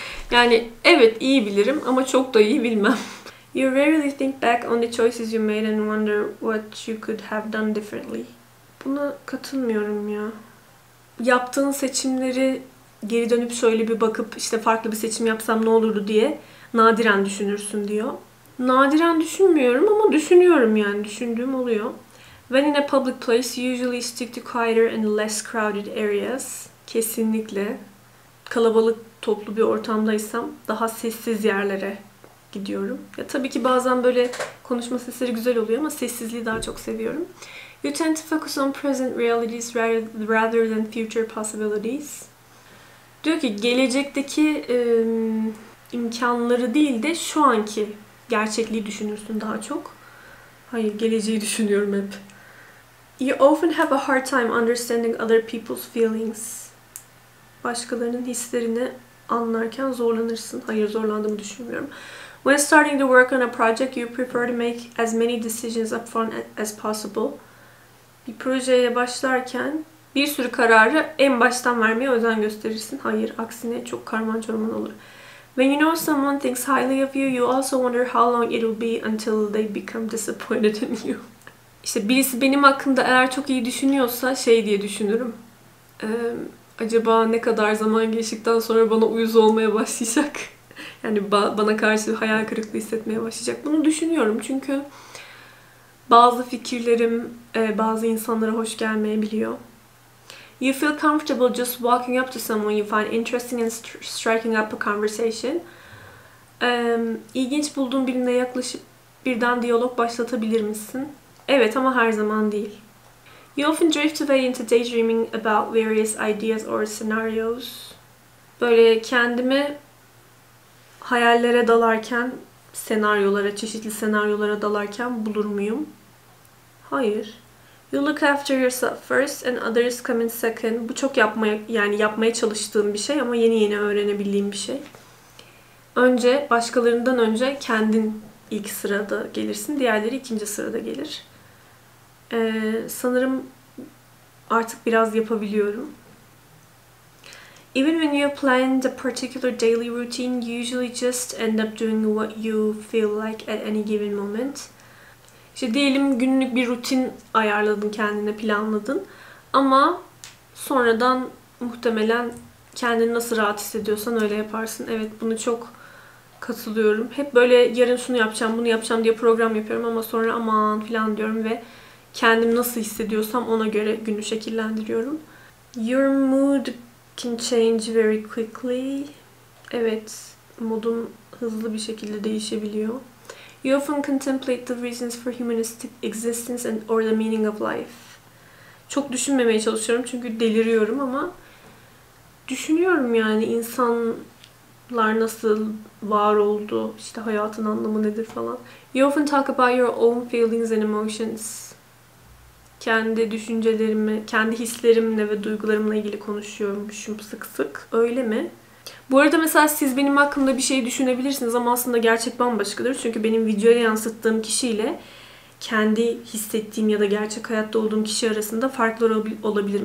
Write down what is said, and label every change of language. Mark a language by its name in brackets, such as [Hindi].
[Turkish] Yani evet iyi bilirim ama çok da iyi bilmem. [English] You rarely think back on the choices you made and wonder what you could have done differently. [Turkish] Buna katılmıyorum ya. Yaptığın seçimleri geri dönüp şöyle bir bakıp işte farklı bir seçim yapsam ne olurdu diye nadiren düşünürsün diyor. Nadiren düşünmüyorum ama düşünüyorum yani düşündüğüm oluyor. [English] When in a public place, usually stick to quieter and less crowded areas. [Turkish] Kesinlikle. Kalabalık toplu bir ortamdaysam daha sessiz yerlere gidiyorum. Ya tabii ki bazen böyle konuşma sesleri güzel oluyor ama sessizliği daha çok seviyorum. [English] You tend to focus on present realities rather than future possibilities. [Turkish] Diyor ki gelecekteki imkanları değil de şu anki gerçekliği düşünürsün daha çok. Hayır, geleceği düşünüyorum hep. [English] You often have a hard time understanding other people's feelings. [Turkish] Başkalarının hislerini anlarken zorlanırsın. Hayır, zorlandığımı düşünmüyorum. [English] When starting to work on a project, you prefer to make as many decisions up front as possible. [Turkish] Bir projeye başlarken bir sürü kararı en baştan vermeye özen gösterirsin. Hayır, aksine çok karman çorman olur. [English] When you know someone thinks highly of you, you also wonder how long it'll be until they become disappointed in you. [Turkish] İşte birisi benim hakkında eğer çok iyi düşünüyorsa şey diye düşünürüm. Acaba ne kadar zaman geçtikten sonra bana uyuz olmaya başlayacak? Yani bana karşı hayal kırıklığı hissetmeye başlayacak. Bunu düşünüyorum çünkü bazı fikirlerim bazı insanlara hoş gelmeyebiliyor. [English] You feel comfortable just walking up to someone you find interesting and striking up a conversation. [Turkish] İlginç bulduğun birine yaklaşıp birden diyalog başlatabilir misin? Evet ama her zaman değil. [English] You often drift away into daydreaming about various ideas or scenarios. [Turkish] Böyle kendimi hayallere dalarken, çeşitli senaryolara dalarken bulur muyum? Hayır. [English] You look after yourself first and others come in second. [Turkish] Bu çok yapmaya çalıştığım bir şey ama yeni yeni öğrenebildiğim bir şey. Önce, başkalarından önce kendin ilk sırada gelirsin, diğerleri ikinci sırada gelir. Sanırım artık biraz yapabiliyorum. [English] Even when you plan a particular daily routine, you usually just end up doing what you feel like at any given moment. [Turkish] İşte diyelim günlük bir rutin ayarladın kendine, planladın. Ama sonradan muhtemelen kendini nasıl rahat hissediyorsan öyle yaparsın. Evet, bunu çok katılıyorum. Hep böyle yarın şunu yapacağım, bunu yapacağım diye program yapıyorum ama sonra aman falan diyorum ve kendim nasıl hissediyorsam ona göre günü şekillendiriyorum. [English] Your mood can change very quickly. [Turkish] Evet, modum hızlı bir şekilde değişebiliyor. [English] You often contemplate the reasons for humanistic existence and or the meaning of life. [Turkish] Çok düşünmemeye çalışıyorum çünkü deliriyorum ama düşünüyorum yani insanlar nasıl var oldu, işte hayatın anlamı nedir falan. [English] You often talk about your own feelings and emotions. [Turkish] Kendi düşüncelerimi, kendi hislerimle ve duygularımla ilgili konuşuyormuşum sık sık. Öyle mi? Bu arada mesela siz benim hakkımda bir şey düşünebilirsiniz ama aslında gerçek bambaşkadır. Çünkü benim videoya yansıttığım kişiyle kendi hissettiğim ya da gerçek hayatta olduğum kişi arasında farklar olabilir.